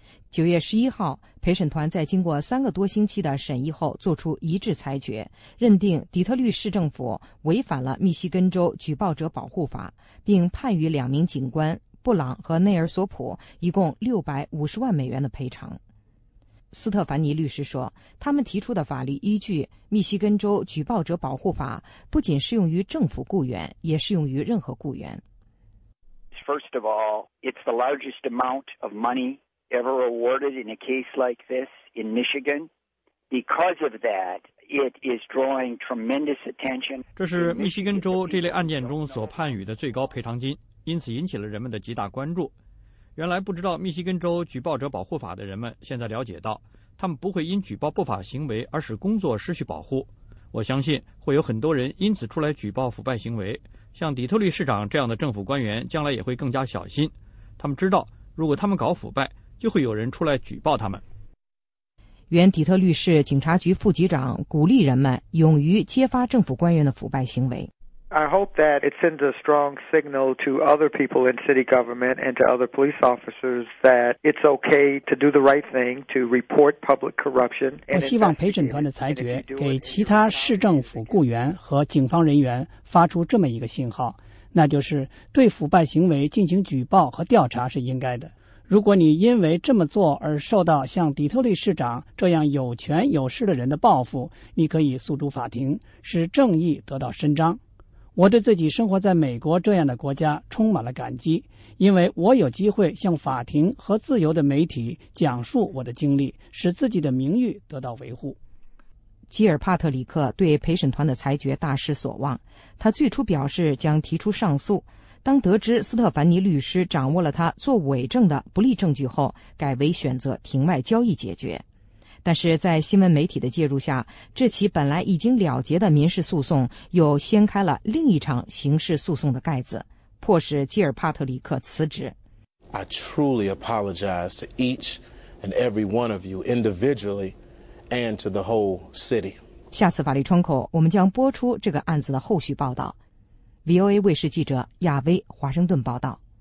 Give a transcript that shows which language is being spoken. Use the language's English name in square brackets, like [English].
[Chinese] 9月11号，陪审团在经过三个多星期的审议后作出一致裁决，认定底特律市政府违反了密西根州举报者保护法，并判予两名警官布朗和内尔索普一共650万美元的赔偿。斯特凡尼律师说，他们提出的法律依据密西根州举报者保护法不仅适用于政府雇员，也适用于任何雇员。 [English] First of all, it's the largest amount of money ever awarded in a case like this in Michigan. Because of that, it is drawing tremendous attention. [Chinese] 这是密西根州这类案件中所判予的最高赔偿金，因此引起了人们的极大关注。原来不知道密西根州举报者保护法的人们现在了解到，他们不会因举报不法行为而使工作失去保护。我相信会有很多人因此出来举报腐败行为，像底特律市长这样的政府官员将来也会更加小心。他们知道如果他们搞腐败，就会有人出来举报他们。原底特律市警察局副局长鼓励人们勇于揭发政府官员的腐败行为。 [English] I hope that it sends a strong signal to other people in city government and to other police officers that it's okay to do the right thing to report public corruption. [Chinese] 我希望陪审团的裁决给其他市政府雇员和警方人员发出这么一个信号，那就是对腐败行为进行举报和调查是应该的。如果你因为这么做而受到像底特律市长这样有权有势的人的报复，你可以诉诸法庭，使正义得到伸张。我对自己生活在美国这样的国家充满了感激，因为我有机会向法庭和自由的媒体讲述我的经历，使自己的名誉得到维护。吉尔帕特里克对陪审团的裁决大失所望，他最初表示将提出上诉，当得知斯特凡尼律师掌握了他做伪证的不利证据后，改为选择庭外交易解决。但是在新闻媒体的介入下，这起本来已经了结的民事诉讼又掀开了另一场刑事诉讼的盖子，迫使吉尔帕特里克辞职。 [English] I truly apologize to each and every one of you individually and to the whole city. [Chinese] 下次法律窗口，我们将播出这个案子的后续报道。 VOA 卫视记者亚威华盛顿报道。